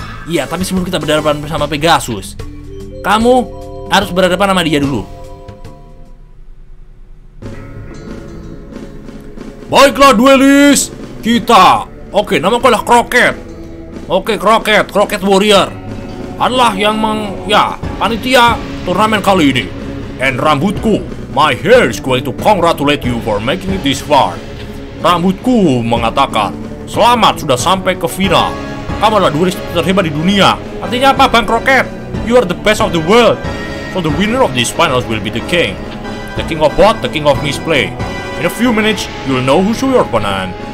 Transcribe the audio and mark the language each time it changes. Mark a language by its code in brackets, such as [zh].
[id] Iya, tapi sebelum kita berhadapan sama Pegasus, kamu harus berhadapan sama dia dulu. Baiklah duelis kita. Oke, nama aku adalah Kroket. Oke, Kroket, Kroket Warrior adalah yang panitia turnamen kali ini. And rambutku, [en] my hair is going to congratulate you for making it this far. [id] Rambutku mengatakan, selamat sudah sampai ke final. Kamu adalah duelis terhebat di dunia. Artinya apa bang Kroket? [en] You are the best of the world. So the winner of this finals will be the king. The king of bot, the king of misplay. In a few minutes, you'll know who's your opponent.